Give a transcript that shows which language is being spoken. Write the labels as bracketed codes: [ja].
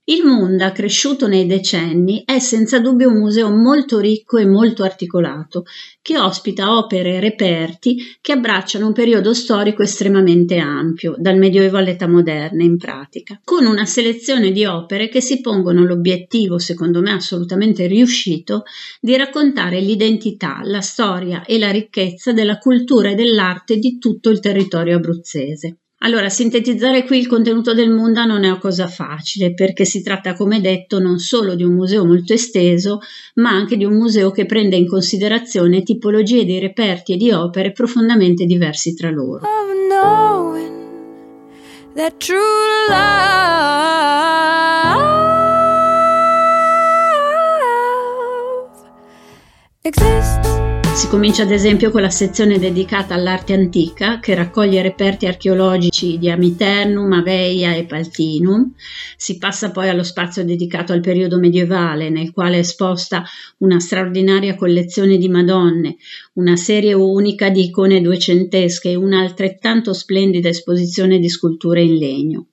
[it] Il Munda, cresciuto nei decenni, è senza dubbio un museo molto ricco e molto articolato, che ospita opere e reperti che abbracciano un periodo storico estremamente ampio, dal Medioevo all'età moderna in pratica, con una selezione di opere che si pongono l'obiettivo, secondo me assolutamente riuscito, di raccontare l'identità, la storia e la ricchezza della cultura e dell'arte di tutto il territorio abruzzese. Allora, sintetizzare qui il contenuto del Munda non è una cosa facile, perché si tratta, come detto, non solo di un museo molto esteso, ma anche di un museo che prende in considerazione tipologie di reperti e di opere profondamente diversi tra loro. [en] Of knowing that true love exists. [it] Si comincia ad esempio con la sezione dedicata all'arte antica, che raccoglie reperti archeologici di Amiternum, Aveia e Paltinum. Si passa poi allo spazio dedicato al periodo medievale, nel quale è esposta una straordinaria collezione di Madonne, una serie unica di icone 200esche e un'altrettanto splendida esposizione di sculture in legno.